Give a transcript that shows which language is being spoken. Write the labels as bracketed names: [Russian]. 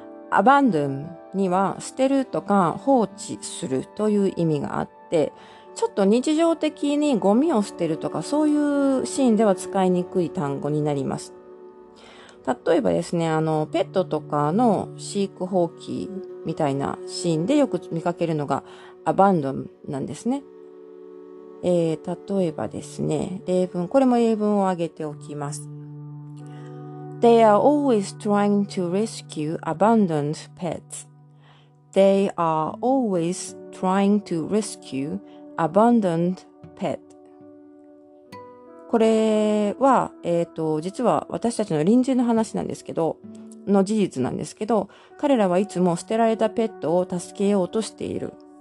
[Japanese] abandon には、捨てるとか放置するという意味があって、ちょっと日常的にゴミを捨てるとかそういうシーンでは使いにくい単語になります。例えばですね、ペットとかの飼育放棄みたいなシーンでよく見かけるのがアバンドンなんですね。例えばですね、例文、これも例文を挙げておきます。 [English] They are always trying to rescue abandoned pets. They are always trying to rescue abandoned pet. [Japanese] これは、実は私たちの隣人の話なんですけど、の事実なんですけど、彼らはいつも捨てられたペットを助けようとしている。